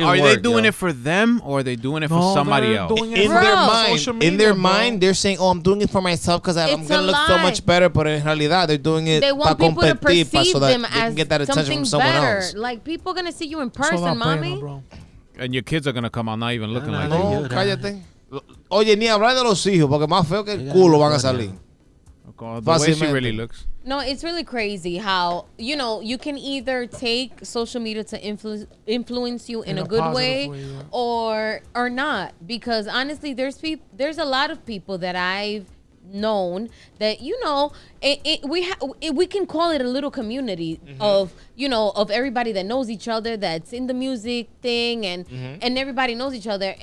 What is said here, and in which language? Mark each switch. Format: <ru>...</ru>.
<en>Are they doing it for them or are they doing it for somebody else? In their mind, they're saying, "Oh, I'm doing it for myself because I'm gonna look so much better." But in realidad, they're doing it. They want people to perceive them as something better. Like people gonna see you in person, mommy. And your kids are gonna come out not even looking like you.</en> <es>Cállate. Oye, ni hablar de los hijos porque más feo que el culo van a salir.</es> <en>The way she really looks. No, it's really crazy how, you know, you can either take social media to influence you in a good way, or not. Because honestly, there's a lot of people that I've known that, you know, we can call it a little community of, you know, of everybody that knows each other that's in the music thing and everybody knows each other.</en>